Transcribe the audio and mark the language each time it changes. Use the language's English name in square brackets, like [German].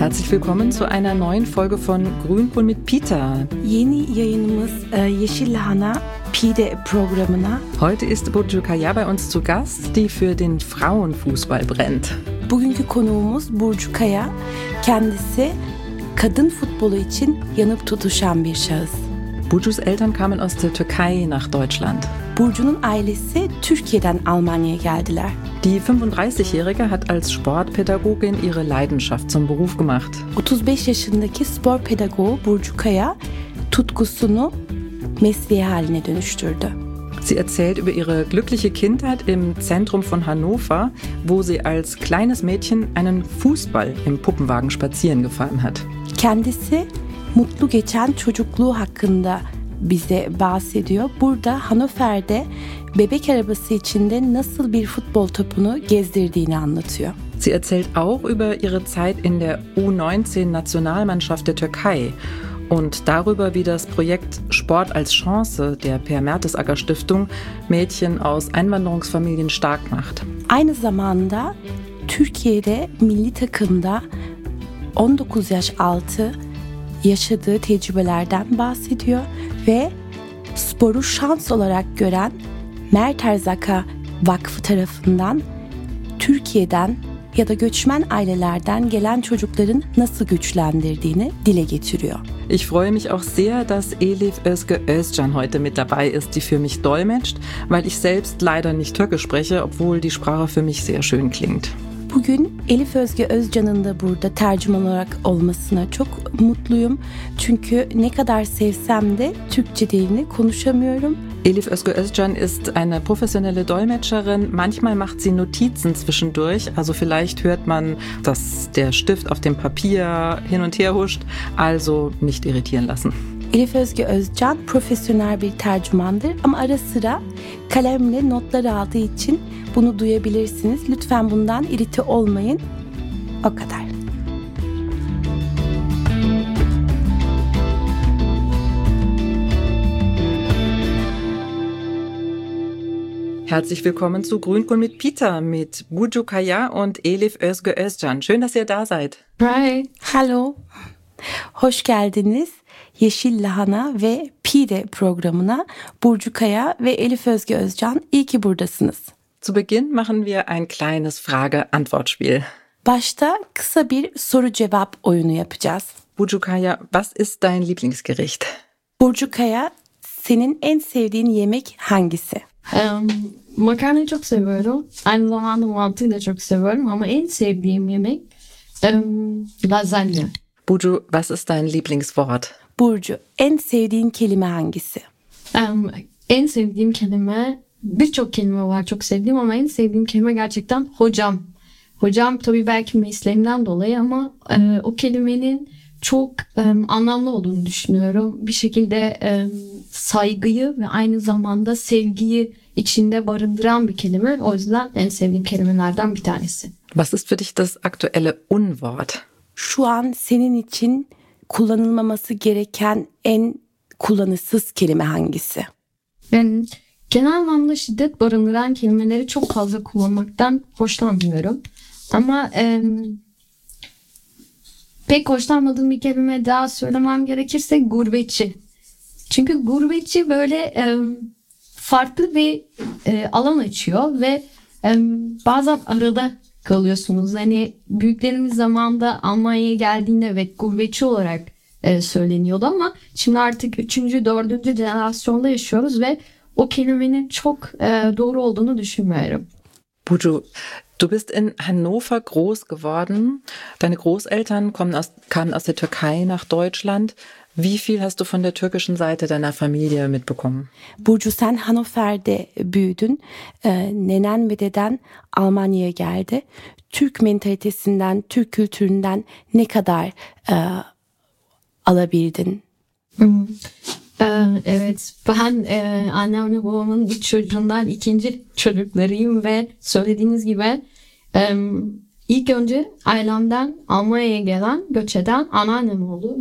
[German] willkommen zu einer neuen Folge von Grünkohl mit Peter. [Turkish] Yeni yayınımız Yeşilhane Pide programına. [German] Heute ist Burcu Kaya bei uns zu Gast, die für den Frauenfußball brennt. [Turkish] Bugünkü konuğumuz Burcu Kaya, kendisi kadın futbolu için yanıp tutuşan bir şahıs. [German] Burcu's Eltern kamen aus der Türkei nach Deutschland. [Turkish] Burcu'nun ailesi Türkiye'den Almanya'ya geldiler. [German] Die 35-Jährige hat als Sportpädagogin ihre Leidenschaft zum Beruf gemacht. [Turkish] 35 yaşındaki spor pedagoğu Burcu Kaya tutkusunu mesleği haline dönüştürdü. [German] Sie erzählt über ihre glückliche Kindheit im Zentrum von Hannover, wo sie als kleines Mädchen einen Fußball im Puppenwagen spazieren gefahren hat. [Turkish] Kendisi mutlu geçen çocukluğu hakkında bize bahsediyor. Burada Hannover'de bebek arabası içinde nasıl bir futbol topunu gezdirdiğini anlatıyor. [German] Sie erzählt auch über ihre Zeit in der U19 Nationalmannschaft der Türkei und darüber, wie das Projekt Sport als Chance der Per Mertesacker Stiftung Mädchen aus Einwanderungsfamilien stark macht. [Turkish] Aynı zamanda Türkiye'de milli takımda 19 yaş altı yaşadığı tecrübelerden bahsediyor ve sporu şans olarak gören Mert Erzak'a Vakfı tarafından Türkiye'den ya da göçmen ailelerden gelen çocukların nasıl güçlendirdiğini dile getiriyor. [German] Ich freue mich auch sehr, dass Elif Özge Özcan heute mit dabei ist, die für mich dolmetscht, weil ich selbst leider nicht Türkisch spreche, obwohl die Sprache für mich sehr schön klingt. [Turkish] Bugün Elif Özge Özcan'ın da burada tercüman olarak olmasına çok mutluyum. Çünkü ne kadar sevsem de Türkçe dilini konuşamıyorum. [German] Elif Özge Özcan ist eine professionelle Dolmetscherin. Manchmal macht sie Notizen zwischendurch. Also vielleicht hört man, dass der Stift auf dem Papier hin und her huscht. Also nicht irritieren lassen. [Turkish] Elif Özge Özcan profesyonel bir tercümandır ama ara sıra kalemle notlar aldığı için bunu duyabilirsiniz. Lütfen bundan irite olmayın. O kadar. [German] Herzlich willkommen zu Grünkohl mit Peter, mit Burcu Kaya und Elif Özge Özcan. Schön, dass ihr da seid. Hi. Hallo. [Turkish] Hoş geldiniz. Yeşil Lahana ve Pide programına Burcu Kaya ve Elif Özge Özcan, iyi ki buradasınız. [German] Zu Beginn machen wir ein kleines Frage-Antwort-Spiel. [Turkish] Başta kısa bir soru-cevap oyunu yapacağız. [German] Burcu Kaya, was ist dein Lieblingsgericht? [Turkish] Burcu Kaya, senin en sevdiğin yemek hangisi? Makarnayı çok seviyorum. Aynı zamanda mantıyı da çok seviyorum ama en sevdiğim yemek lazanya. [German] Burcu, was ist dein Lieblingswort? [Turkish] Burcu, en sevdiğin kelime hangisi? En sevdiğim kelime, birçok kelime var çok sevdiğim ama en sevdiğim kelime gerçekten hocam. Hocam tabii belki mesleğimden dolayı ama o kelimenin çok anlamlı olduğunu düşünüyorum. Bir şekilde saygıyı ve aynı zamanda sevgiyi içinde barındıran bir kelime. O yüzden en sevdiğim kelimelerden bir tanesi. [German] Was ist für dich das aktuelle Unwort? [Turkish] Şu an senin için kullanılmaması gereken en kullanışsız kelime hangisi? Yani genel anlamda şiddet barındıran kelimeleri çok fazla kullanmaktan hoşlanmıyorum. Ama pek hoşlanmadığım bir kelime daha söylemem gerekirse gurbetçi. Çünkü gurbetçi böyle farklı bir alan açıyor ve bazen arada kalıyorsunuz. Hani büyüklerimiz zamanında Almanya'ya geldiğinde evet gurbetçi olarak söyleniyordu ama şimdi artık 3. 4. jenerasyonda yaşıyoruz ve o kelimenin çok doğru olduğunu düşünmüyorum. [German] Burcu, du bist in Hannover groß geworden. Deine Großeltern kamen aus der Türkei nach Deutschland. Wie viel hast du von der türkischen Seite deiner Familie mitbekommen? [Turkish] Burcu, sen Hannover'de büyüdün. Nenen ve deden Almanya'ya geldi. Türk mentalitesinden, Türk kültüründen ne kadar alabildin? Evet, ben annemle babamın ilk çocuğundan ikinci çocuklarıyım ve söylediğiniz gibi ilk önce ailemden Almanya'ya gelen, göç eden anneannem oldu.